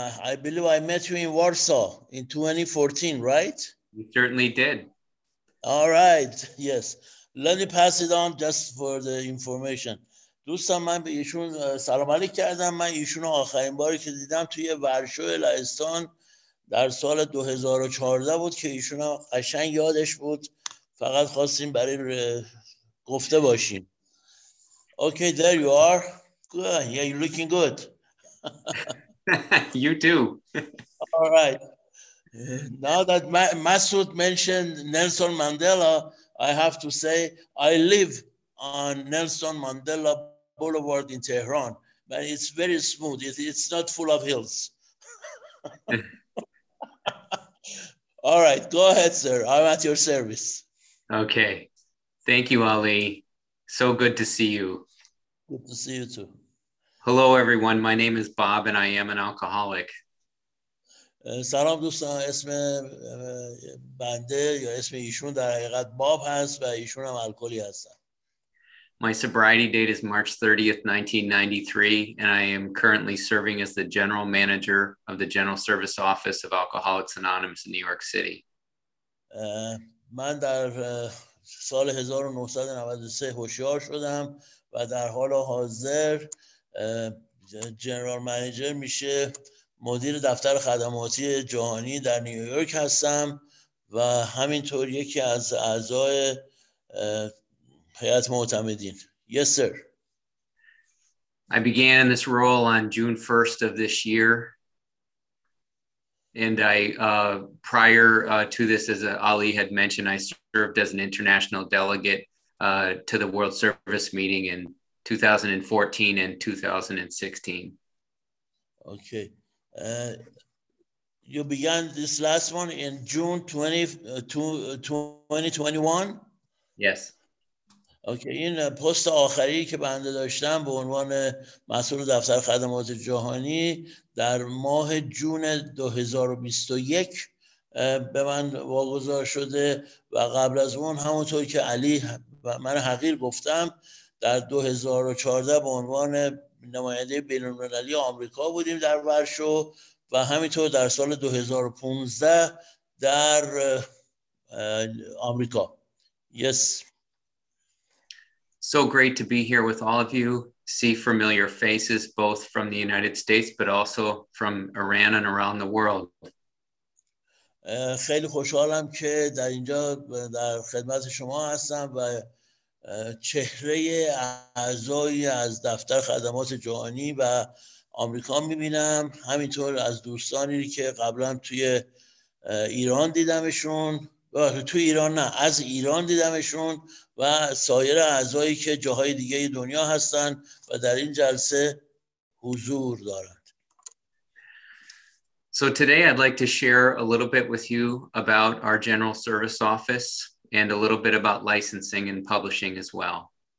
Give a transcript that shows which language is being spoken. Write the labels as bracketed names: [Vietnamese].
[English] I believe I met you in Warsaw in 2014, right? You certainly did. All right. Yes. Let me pass it on just for the information. [Persian] دوستان من به ایشون سلام علیک کردم. من ایشون رو آخرین باری که دیدم توی ورشو لهستان در سال 2014 بود که ایشون هم قشنگ یادش بود، فقط خواستیم برای گفته باشیم. [English] Okay, there you are. Good. Yeah, you're looking good. You too. All right. Now that Masoud mentioned Nelson Mandela, I have to say I live on Nelson Mandela Boulevard in Tehran. But it's very smooth. It's not full of hills. All right, go ahead, sir. I'm at your service. Okay. Thank you, Ali. So good to see you. Good to see you too. Hello, everyone. My name is Bob, and I am an alcoholic. [Persian] سلام دوستان، اسم بنده یا اسم ایشون در حقیقت باب هست و ایشون هم الکلی هستن. [English] My sobriety date is March 30th, 1993, and I am currently serving as the general manager of the General Service Office of Alcoholics Anonymous in New York City. [Persian] من در سال 1993 هوشیار شدم و در حال حاضر جنرال منیجر میشه مدیر دفتر خدماتی جهانی در نیویورک هستم و همینطور یکی از اعضای حیات معتمدین. [English] Yes, sir. I began this role on June 1st of this year. And I, prior to this, as Ali had mentioned, I served as an international delegate to the World Service Meeting in 2014 and 2016. Okay. You began this last one in June 2021? Yes. [Persian] اوکی، این پست آخری که بنده داشتم به عنوان مسئول دفتر خدمات جهانی در ماه جون 2021 به من واگذار شده و قبل از اون همونطور که علی و من حقیر گفتم در 2014 به عنوان نماینده بین‌المللی آمریکا بودیم در ورشو و همینطور در سال 2015 در آمریکا. [English] Yes. So great to be here with all of you, see familiar faces, both from the United States, but also from Iran and around the world. [Persian] خیلی خوشحالم که در اینجا در خدمت شما هستم و چهره اعضایی از دفتر خدمات جهانی و آمریکا میبینم، همینطور از دوستانی که قبلا توی ایران دیدمشون، تو ایران نه، از ایران دیدمشون و سایر اعضایی که جاهای دیگه دنیا هستن و در این جلسه حضور دارند. [English] So today I'd like to share a little bit with you about our General Service Office and a little bit about licensing and publishing as well.